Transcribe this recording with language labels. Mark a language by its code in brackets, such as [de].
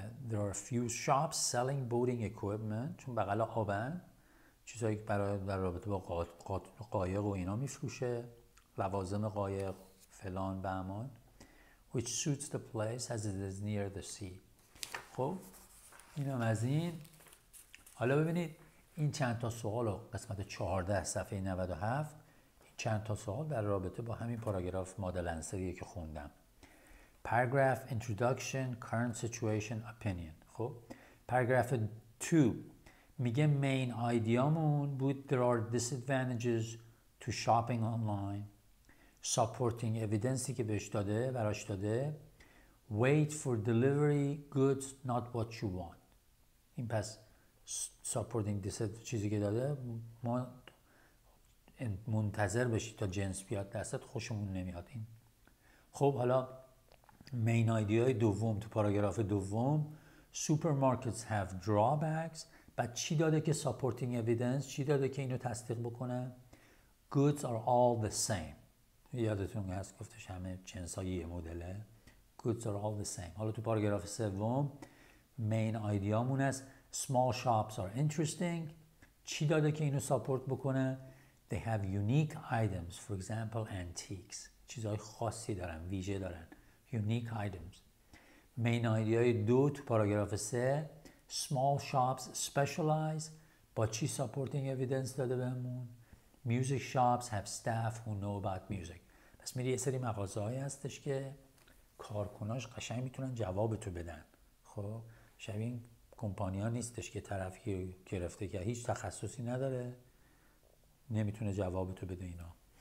[en] There are a few shops selling boating equipment. [fa] چون بغل آبن چیزایی که برای در رابطه با قایق و اینا میفروشه، لوازم قایق فلان بهمان. [en] Which suits the place as it is near the sea. [fa] خب اینم از این. حالا ببینید این چند تا سوال رو قسمت 14 صفحه 97 این چند تا سوال در رابطه با همین پاراگراف مدل انسریه که خوندم. [en] Paragraph introduction, current situation, opinion. [fa] خب Paragraph 2 میگه main ideamون بود [en] there are disadvantages to shopping online. [fa] Supporting evidence که بهش داده براش داده. [en] Wait for delivery goods, not what you want. [fa] این پس supporting this چیزی که داده ما منتظر بشی تا جنس بیاد دستت خوشمون نمیاد. این خب حالا main idea دوم تو پاراگراف دوم [en] supermarkets have drawbacks. [fa] بعد چی داده که supporting evidence چی داده که اینو تصدیق بکنه؟ [en] goods are all the same. [fa] یادتون هست گفتش همه جنس های یه مدله. [en] goods are all the same. [fa] حالا تو پاراگراف سوم main idea مون است [en] small shops are interesting. [fa] چی داده که اینو ساپورت بکنه؟ [en] they have unique items, for example antiques. [fa] چیزهای خاصی دارن، ویژه دارن، [en] unique items. main idea [fa] دو تو پاراگراف سه [en] small shops specialize. [fa] با چی [en] supporting evidence [fa] داده بهمون؟ [en] music shops have staff who know about music. [fa] پس میری یه سری مغازه هایی هستش که کارکناش قشنگ میتونن جواب تو بدن. خب شبیه این کمپانی ها نیستش که طرفی گرفته که هیچ تخصصی نداره نمیتونه جواب تو بده اینا.